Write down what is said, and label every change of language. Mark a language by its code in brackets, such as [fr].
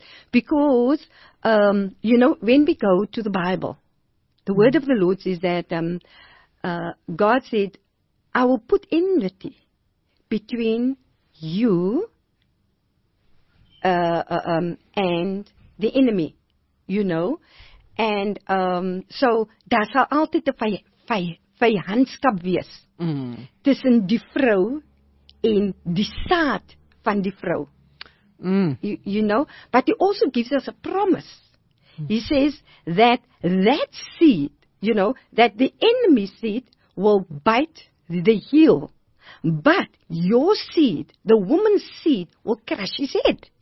[en] Because, you know, when we go to the Bible, the word of the Lord is that God said, I will put enmity between you and the enemy, you know. [af] And so, daar sal altyd 'n vyandskap wees tussen die vrou en die saad van die vrou. [en] You know, but he also gives us a promise. He says that that seed, you know, that the enemy seed will bite the heel, but your seed, the woman's seed, will crush his head.